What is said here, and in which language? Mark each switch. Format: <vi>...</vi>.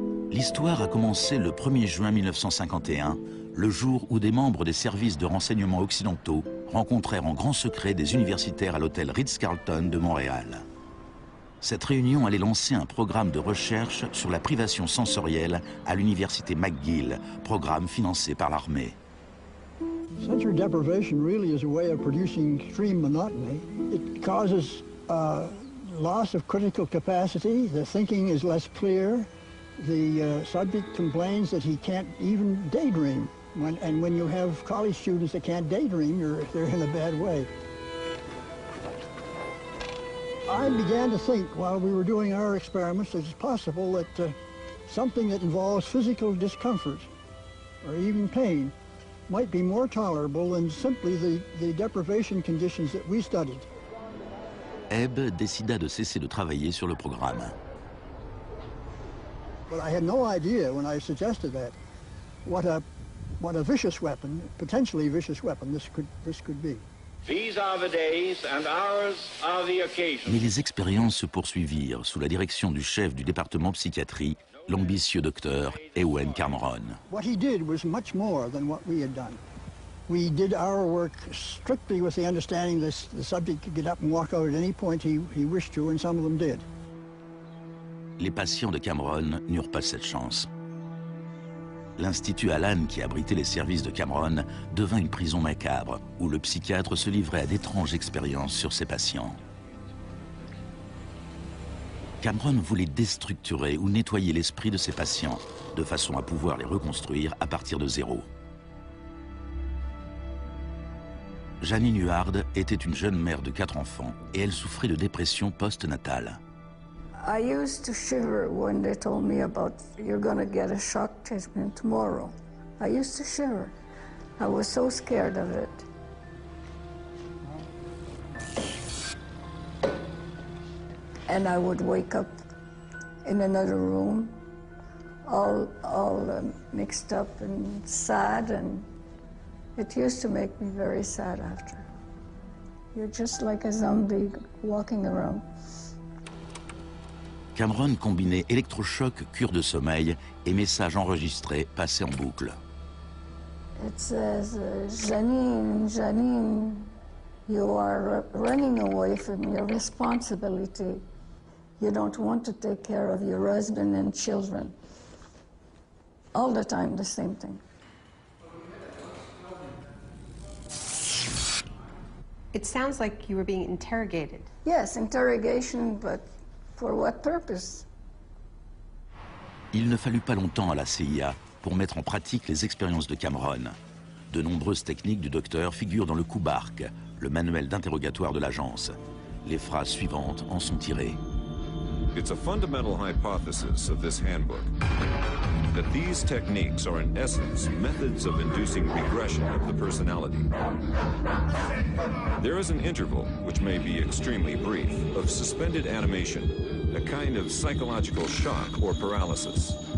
<fr>L'histoire a commencé le 1er juin 1951, le jour où des membres des services de renseignement occidentaux rencontrèrent en grand secret des universitaires à l'hôtel Ritz-Carlton de Montréal. Cette réunion allait lancer un programme de recherche sur la privation sensorielle à l'université McGill, programme financé par l'armée.</fr> <en>Sensory deprivation really is a way of producing extreme monotony. It causes a loss of critical capacity. The thinking is less clear. The subject complains that he can't even daydream. When you have college students that can't daydream, they're in a bad way. I began to think while we were doing our experiments that it's possible that something that involves physical discomfort or even pain might be more tolerable than simply the deprivation conditions that we studied.</en> <fr>Ebb décida de cesser de travailler sur le programme.</fr> <en>But I had no idea when I suggested that what a vicious weapon, potentially vicious weapon, this could be. These are the days and hours are the occasions.</en> <fr>Mais les expériences se poursuivirent sous la direction du chef du département psychiatrie, l'ambitieux docteur Ewen Cameron.</fr> <en>What he did was much more than what we had done. We did our work strictly with the understanding that the subject could get up and walk out at any point he wished to, and some of them did.</en> <fr>Les patients de Cameron n'eurent pas cette chance. L'Institut Allan, qui abritait les services de Cameron, devint une prison macabre où le psychiatre se livrait à d'étranges expériences sur ses patients. Cameron voulait déstructurer ou nettoyer l'esprit de ses patients, de façon à pouvoir les reconstruire à partir de zéro. Janine Huard était une jeune mère de 4 enfants et elle souffrait de dépression post-natale.</fr> <en>I used to shiver when they told me about you're going to get a shock treatment tomorrow. I used to shiver. I was so scared of it. And I would wake up in another room, all mixed up and sad, and it used to make me very sad after. You're just like a zombie walking around.</en> <fr>Cameron combinait électrochoc, cure de sommeil et messages enregistrés passés en boucle.</fr> <en>It says, Janine, you are running away from your responsibility. You don't want to take care of your husband and children. All the time, the same thing. It sounds like you were being interrogated. Yes, interrogation, but. For what purpose?</en> <fr>Il ne fallut pas longtemps à la CIA pour mettre en pratique les expériences de Cameron. De nombreuses techniques du docteur figurent dans le Kubark, le manuel d'interrogatoire de l'agence. Les phrases suivantes en sont tirées.</fr> <en>It's a fundamental hypothesis of this handbook that these techniques are in essence methods of inducing regression of the personality. There is an interval, which may be extremely brief, of suspended animation, a kind of psychological shock or paralysis.</en>